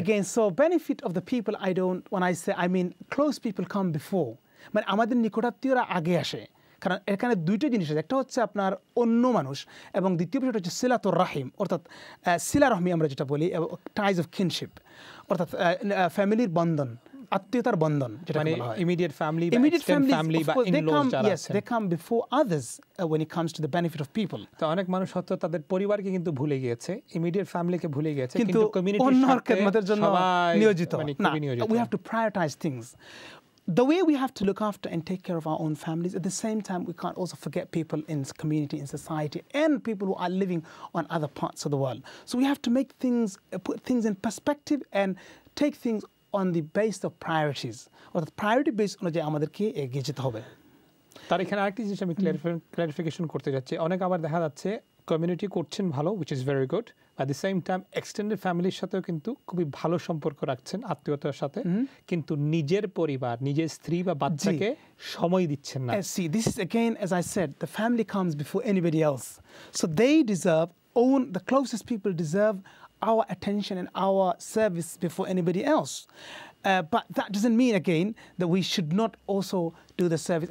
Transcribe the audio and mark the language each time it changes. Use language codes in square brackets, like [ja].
[en] again, so benefit of the people, I don't, one I say, I mean close people come before, [bn] মানে আমাদের নিকটাত্মীয়রা আগে আসে, কারণ এখানে দুইটা জিনিস আছে, একটা হচ্ছে আপনার অন্য মানুষ এবং দ্বিতীয় বিষয়টা হচ্ছে সিলাতুর রাহিম, অর্থাৎ সিলা রহমি আমরা যেটা বলি, [en] ties of kinship, [bn] অর্থাৎ ফ্যামিলির বন্ধন, আত্মীয়তার বন্ধন, যেটা মানে [en] immediate family, immediate family বা in-laws [bn] যারা আছে, [en] Yes, they come before others when it comes to the benefit of people. [bn] তো অনেক মানুষ হয়তো তাদের পরিবারকে কিন্তু ভুলে গিয়েছে, ইমিডিয়েট ফ্যামিলিকে ভুলে গিয়েছে, কিন্তু কমিউনিটির সাথে অন্যর খেদমতের জন্য নিয়োজিত, না, [en] We have to prioritise things. The way we have to look after and take care of our own families, at the same time, we can't also forget people in community, in society, and people who are living on other parts of the world. So we have to make things, put things in perspective and take things on the basis of priorities. Or the priority based on [bn] অনুযায়ী আমাদেরকে এগিয়ে যেতে হবে. তার এখানে আরেকটি জিনিস আমি ক্লারিফিকেশন করতে চাচ্ছি. অনেক আবার দেখা যাচ্ছে কমিউনিটি করছেন ভালো, [en] which is very good, at the same time [bn] extended ফ্যামিলির সাথেও কিন্তু খুবই ভালো সম্পর্ক রাখছেন, আত্মীয়তার সাথে, কিন্তু নিজের পরিবার, নিজের স্ত্রী বা বাচ্চাকে সময় দিচ্ছেন না. [en] See, this is again, as I said, the family comes before anybody else, so they deserve own, the closest people deserve our attention and our service before anybody else. But that doesn't mean, again, that we should not also do the service.